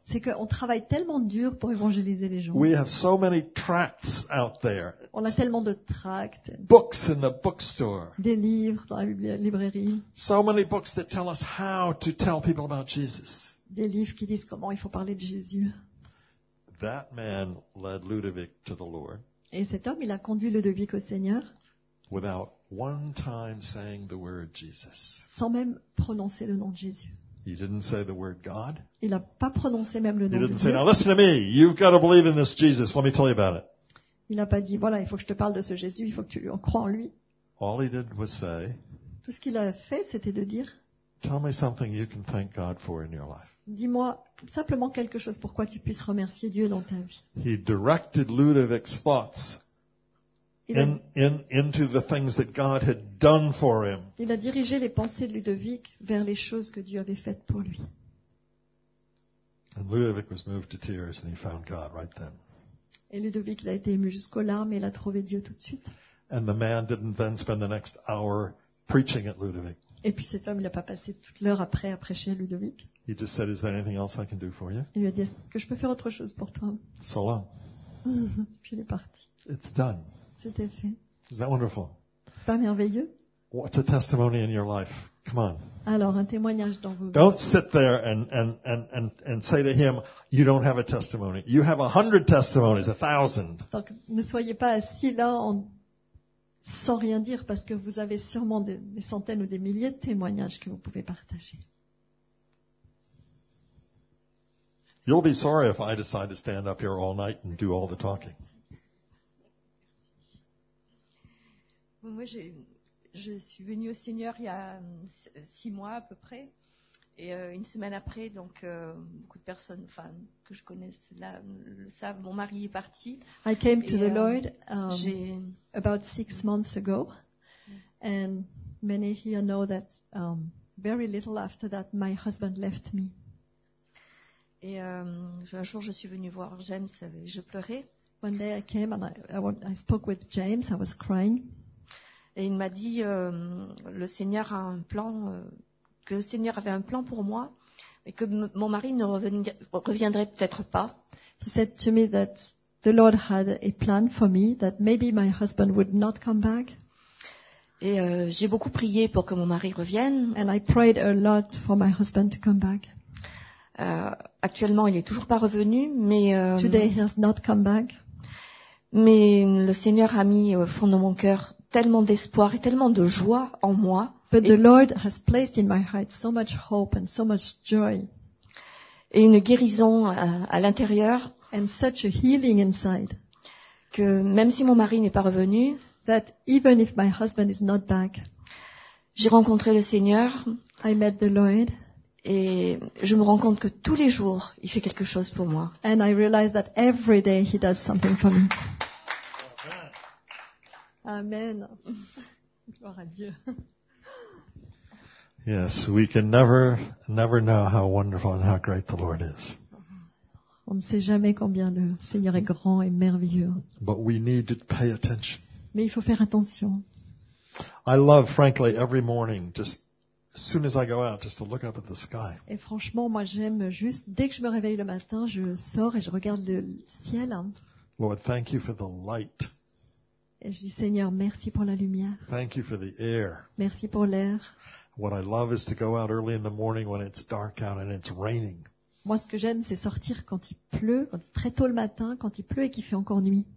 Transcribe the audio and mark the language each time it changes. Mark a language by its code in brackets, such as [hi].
[fr] C'est qu'on travaille tellement dur pour évangéliser les gens. [en] We have so many tracts out there. [fr] On a tellement de tracts. [en] Books in the bookstore. [fr] Des livres dans la librairie. [en] So many books that tell us how to tell people about Jesus. [fr] Des livres qui disent comment il faut parler de Jésus. [en] That man led Ludovic to the Lord. [fr] Et cet homme, il a conduit Ludovic au Seigneur. [en] Without one time saying the word Jesus. [fr] Sans même prononcer le nom de Jésus. [en] He didn't say the word God. [fr] Il n'a pas prononcé même le nom de Dieu. [en] He didn't say, "Now listen to me. You've got to believe in this Jesus. Let me tell you about it." [fr] Il n'a pas dit, voilà, il faut que je te parle de ce Jésus. Il faut que tu en crois en lui. [en] All he did was say. [fr] Tout ce qu'il a fait, c'était de dire. [en] Tell me something you can thank God for in your life. [fr] Dis-moi simplement quelque chose pourquoi tu puisses remercier Dieu dans ta vie. [en] He directed Ludovic's thoughts. Into the things that God had done for him. [fr] Il a dirigé les pensées de Ludovic vers les choses que Dieu avait faites pour lui. [en] And Ludovic was moved to tears and he found God right then. [fr] Et Ludovic a été ému jusqu'aux larmes et il a trouvé Dieu tout de suite. [en] And the man didn't then spend the next hour preaching at Ludovic. [fr] Et puis cet homme, il n'a pas passé toute l'heure après à prêcher à Ludovic. [en] He just said, "Is there anything else I can do for you?" [fr] Il lui a dit, est-ce que je peux faire autre chose pour toi? [en] So long. [fr] Puis il est parti. [en] It's done. [fr] C'était fait. [en] Wonderful? [fr] Pas merveilleux? [en] What's a testimony in your life? Come on. [fr] Alors, un témoignage dans vos vies. [en] Don't sit there and say to him, "You don't have a testimony." You have 100 testimonies, 1,000. [fr] Donc, ne soyez pas assis là sans rien dire parce que vous avez sûrement des centaines ou des milliers de témoignages que vous pouvez partager. [en] You'll be sorry if I decide to stand up here all night and do all the talking. [fr] Moi, je suis venue au Seigneur il y a 6 mois à peu près. Et une semaine après, donc, beaucoup de personnes que je connais là, le savent, mon mari est parti. [en] I came to the Lord about 6 months ago. And many here know that very little after that, my husband left me. [fr] Et un jour, je suis venue voir James et je pleurais. [en] One day I came and I spoke with James, I was crying. [fr] Et il m'a dit, le Seigneur a un plan, que le Seigneur avait un plan pour moi, et que mon mari ne reviendrait peut-être pas. [en] He said to me that the Lord had a plan for me, that maybe my husband would not come back. [fr] Et j'ai beaucoup prié pour que mon mari revienne. [en] And I prayed a lot for my husband to come back. [fr] Actuellement, il est toujours pas revenu, mais. [en] Today he has not come back. [fr] Mais le Seigneur a mis au fond de mon cœur tellement d'espoir et tellement de joie en moi. [en] But the Lord has placed in my heart so much hope and so much joy. [fr] Et une guérison à l'intérieur. [en] and such a healing inside, [fr] que même si mon mari n'est pas revenu, [en] that even if my husband is not back, [fr] j'ai rencontré le Seigneur, [en] I met the Lord, [fr] et je me rends compte que tous les jours, il fait quelque chose pour moi. [en] And I realize that every day he does something for me. [fr] Amen. Gloire à Dieu. [en] Yes, we can never know how wonderful and how great the Lord is. [fr] On ne sait jamais combien le Seigneur est grand et merveilleux. [en] But we need to pay attention. [fr] Mais il faut faire attention. [en] I love, frankly, every morning, just as soon as I go out, just to look up at the sky. [fr] Et franchement, moi j'aime juste, dès que je me réveille le matin, je sors et je regarde le ciel. [en] Lord, thank you for the light. [fr] Et je dis, Seigneur, merci pour la lumière. [en] Thank you for the air. [fr] Merci pour l'air. [en] What I love is to go out early in the morning when it's dark out and it's raining. [fr] Moi, ce que j'aime, c'est sortir quand il pleut, quand c'est très tôt le matin, quand il pleut et qu'il fait encore nuit.